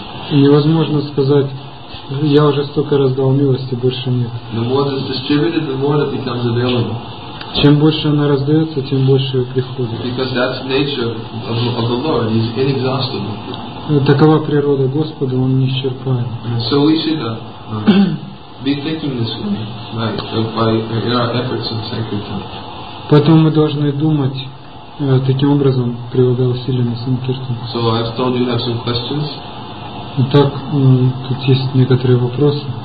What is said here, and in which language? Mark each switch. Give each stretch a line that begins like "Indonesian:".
Russian: Невозможно сказать: я уже столько раз дал милости, больше нет.
English: The more it's distributed, the more it becomes available.
Russian: Чем больше она раздается, тем больше ее приходит.
English: Because that's nature of the Lord. He's inexhaustible.
Russian: Такова природа Господа, он не исчерпаем.
English: So we should be thinking this way, right, by our efforts in sankirtan.
Russian: Поэтому мы должны думать таким образом, прилагая усилия на санкиртан.
English: So I've told you have some questions.
Russian: Итак, тут есть некоторые вопросы.